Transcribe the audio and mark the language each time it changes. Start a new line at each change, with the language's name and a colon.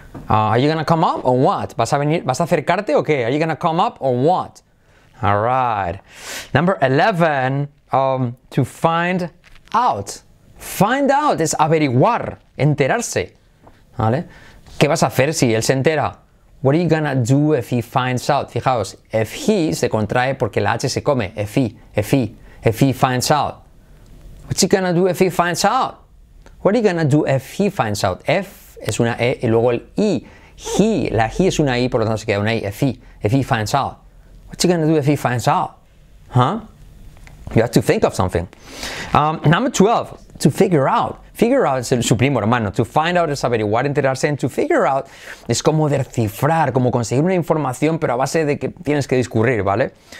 English: Are you gonna come up or what?
Spanish: ¿Vas a venir, vas a acercarte o qué?
English: Are you gonna come up or what? All right. Number 11, to find out.
Spanish: Find out es averiguar, enterarse. ¿Vale? ¿Qué vas a hacer si él se entera?
English: What are you gonna do if he finds out?
Spanish: Fijaos,
English: if he
Spanish: se contrae porque la H se come.
English: If he finds out. What's he gonna do if he finds out? What are you gonna do if he finds out?
Spanish: F es una E y luego el I. He, la he es una I, por lo tanto se queda una I.
English: If he finds out. What's he gonna do if he finds out? Huh? You have to think of something. Number 12, to figure out. Figure out
Spanish: es su primo hermano.
English: To find out
Spanish: es averiguar, enterarse.
English: And to figure out
Spanish: es como descifrar, como conseguir una información, pero a base de que tienes que discurrir, ¿vale?